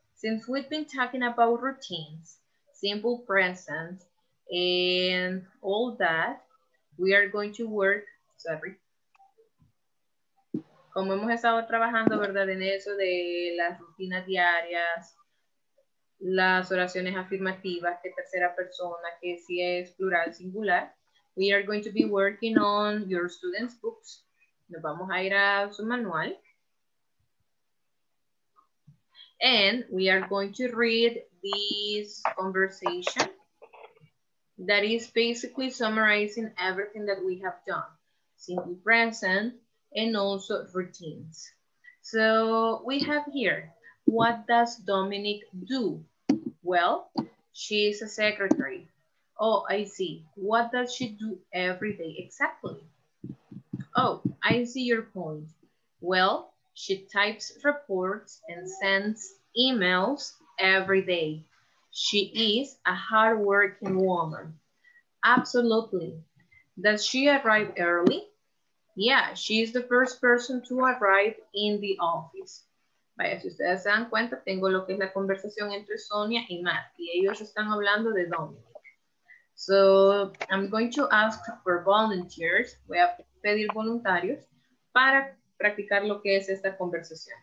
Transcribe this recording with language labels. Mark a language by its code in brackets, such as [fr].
[en] Since we've been talking about routines, simple present, and all that, we are going to work, sorry. [es] Como hemos estado trabajando, ¿verdad? En eso de las rutinas diarias, las oraciones afirmativas, que tercera persona, que si es plural, singular. [en] We are going to be working on your students' books. [es] Nos vamos a ir a su manual. [en] And we are going to read this conversation that is basically summarizing everything that we have done, simple present and also routines. So we have here, what does Dominic do? Well, she is a secretary. Oh, I see. What does she do every day? Exactly. Oh, I see your point. Well, she types reports and sends emails every day. She is a hardworking woman. Absolutely. Does she arrive early? Yeah, she is the first person to arrive in the office. [es] Vaya, si ustedes se dan cuenta, tengo lo que es la conversación entre Sonia y Matt, y ellos están hablando de Dominic. [en] So, I'm going to ask for volunteers. [es] Voy a pedir voluntarios para practicar lo que es esta conversación.